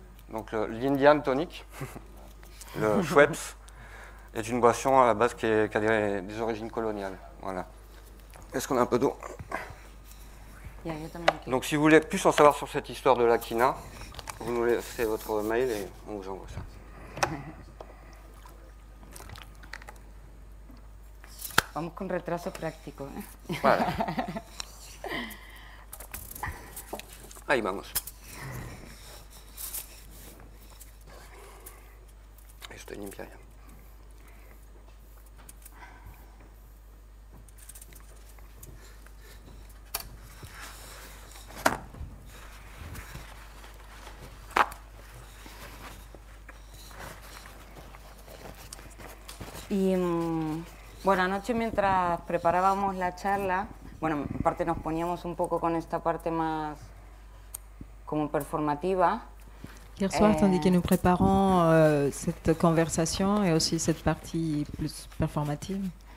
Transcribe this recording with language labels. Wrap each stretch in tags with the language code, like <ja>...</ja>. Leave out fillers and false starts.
<fr>Donc l'Indian tonic, le Schweppes, est une boisson à la base qui a des origines coloniales. Voilà. Est-ce qu'on a un peu d'eau ? Donc si vous voulez plus en savoir sur cette histoire de la quina, vous nous laissez votre mail et on vous envoie ça.</fr> <es>Vamos con retraso práctico.</es> <fr>Voilà.</fr> <es>Ahí vamos. Estoy limpia ya. Y bueno, anoche mientras preparábamos la charla, bueno, aparte nos poníamos un poco con esta parte más como performativa.</es> <fr>Hier soir, tandis que nous préparons cette conversation et aussi cette partie plus performative.</fr>